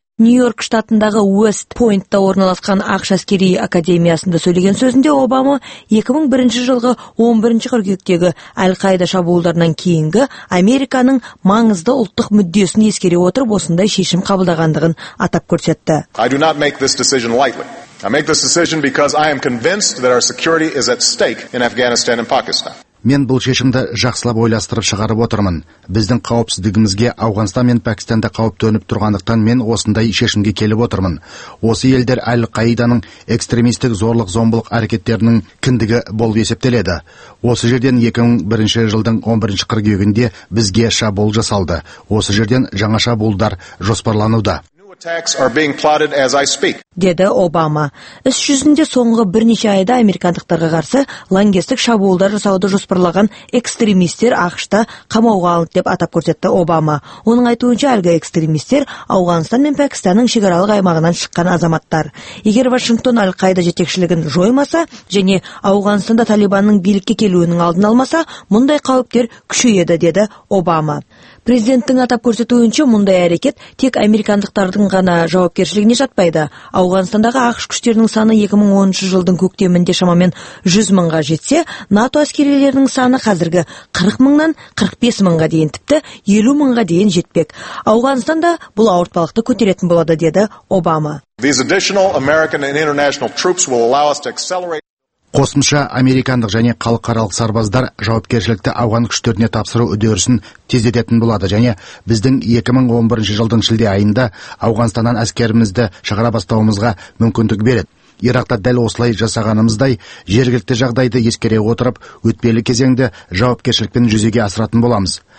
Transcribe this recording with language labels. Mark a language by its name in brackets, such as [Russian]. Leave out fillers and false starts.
[Kazakh] Нью-Йорк штатындағы Уэст-Пойнтта орналасқан АҚШ әскери академиясында сөйлеген сөзінде Обама 2001 жылғы 11 қыркүйектегі Әл-Қайда шабуылдарынан кейінгі Американың маңызды ұлттық мүддесін ескере отырып осындай шешім қабылдағандығын атап көрсетті. [English] I do not make this decision lightly. I make this decision because I am convinced that our security is at stake in Afghanistan and Pakistan. [Kazakh] Мен бұл шешімді жақсылап ойластырып шығарып отырмын. Біздің қауіпсіздігімізге Ауғанстан мен Пәкістанда қауіп төніп тұрғандықтан мен осындай шешімге келіп отырмын. Осы елдер Әл-Қаиданың экстремистік зорлық-зомбылық әрекеттерінің кіндігі болып есептеледі. Осы жерден 2001 жылдың 11 қыркүйегінде бізге шабуыл жасалды. Осы жерден жаңа шабуылдар жоспарлануда. [English] Attacks are being plotted as I speak. [Kazakh] Деді Обама. Іс жүзінде соңғы бірнеше айда американдықтарға қарсы лаңкестік шабуылдар жасауды жоспарлаған экстремистер АҚШ-та қамауға алынды деп атап көрсетті Обама. Оның айтуынша әлгі экстремистер Ауғанстан мен Пәкістанның шекаралық аймағынан шыққан азаматтар. Егер Вашингтон Әл-Қайда жетекшілігін жоймаса және Ауғанстанда Талибанның билікке келуінің алдын алмаса, мұндай қауіптер күшейеді, деді Обама. Президенттің атап көрсетуінше мұндай әрекет тек американдықтардың ғана жауапкершілігіне жатпайды. Ауғанстандағы АҚШ күштерінің саны 2010 жылдың көктемінде шамамен 100 мыңға жетсе, НАТО әскерилерінің саны қазіргі 40 мыңнан 45 мыңға дейін тіпті 50 мыңға дейін жетпек. Ауғанстанда бұл ауыртпалықты көтеретін болады, деді Обама. [English] These additional American and international troops will allow us to accelerate. [Kazakh] Қосымша американдық және халықаралық сарбаздар жауапкершілікті Ауған күштеріне тапсыру үдерісін тездететін болады және біздің 2011 жылдың шілде айында Ауғанстаннан әскерімізді шығара бастауымызға мүмкіндік береді. Иракта дәл осылай жасағанымыздай жергілікті жағдайды ескере отырып, өтпелі кезеңді жауапкершілікпен жүзеге асыратын боламыз.